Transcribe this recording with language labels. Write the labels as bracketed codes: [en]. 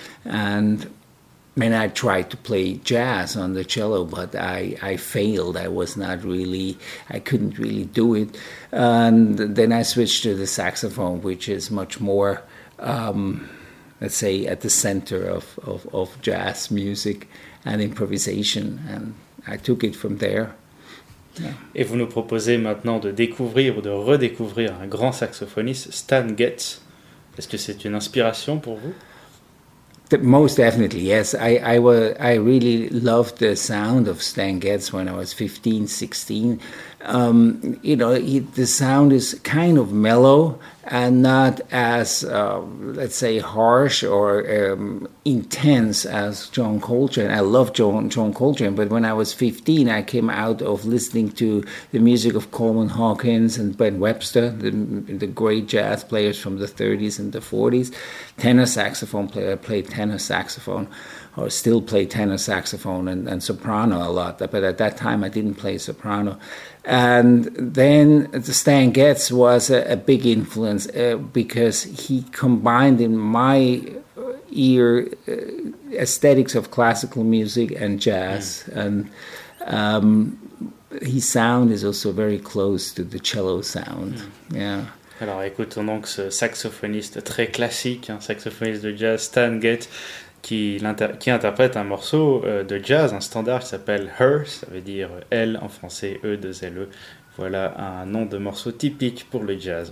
[en] And I tried to play jazz on the cello, but I failed. I couldn't really do it. And then I switched to the saxophone, which is much more, let's say, at the center of jazz music and improvisation. And I took it from there. Yeah. [fr] Et vous nous proposez maintenant de découvrir ou de redécouvrir un grand saxophoniste, Stan Getz. Est-ce que c'est une inspiration pour vous? [en] Most definitely, yes. I really loved the sound of Stan Getz when I was 15, 16. The sound is kind of mellow and not as, let's say, harsh or intense as John Coltrane. I love John Coltrane, but when I was 15, I came out of listening to the music of Coleman Hawkins and Ben Webster, the great jazz players from the 30s and the 40s. Tenor saxophone player, I played tenor saxophone. Or still play tenor saxophone and soprano a lot. But at that time, I didn't play soprano. And then Stan Getz was a big influence because he combined in my ear aesthetics of classical music and jazz. Mm. And his sound is also very close to the cello sound. Mm. Yeah. [fr] Alors, écoutons donc ce saxophoniste très classique, un saxophoniste de jazz, Stan Getz, qui interprète un morceau de jazz, un standard qui s'appelle Her, ça veut dire elle en français, E2LE. Voilà un nom de morceau typique pour le jazz.